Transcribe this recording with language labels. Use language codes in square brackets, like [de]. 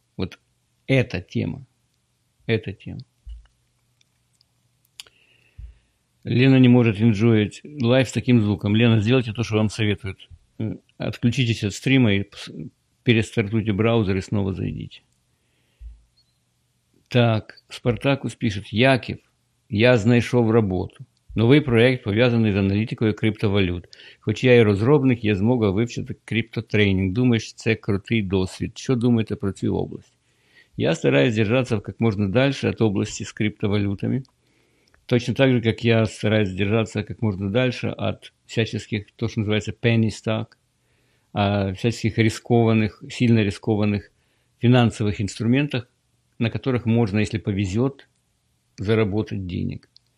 [ru] Вот эта тема. Эта тема. Лена не может [en] enjoy life [ru] с таким звуком. Лена, сделайте то, что вам советуют. Отключитесь от стрима и перестартуйте браузер и снова зайдите. Так, Спартакус пишет: [uk] «Яків, я знайшов роботу. Новий проєкт, пов'язаний з аналітикою криптовалют. Хоч я і розробник, є змога вивчити криптотренінг. Думаєш, це крутий досвід. Що думаєте про цю область?» [ru] Я стараюсь держаться как можно дальше от області з криптовалютами. Точно так же, как я стараюсь держаться как можно дальше от всяческих, то, что называется penny stock, всяческих рискованных, сильно рискованных финансовых инструментах, на которых можно, если повезет, заработать денег.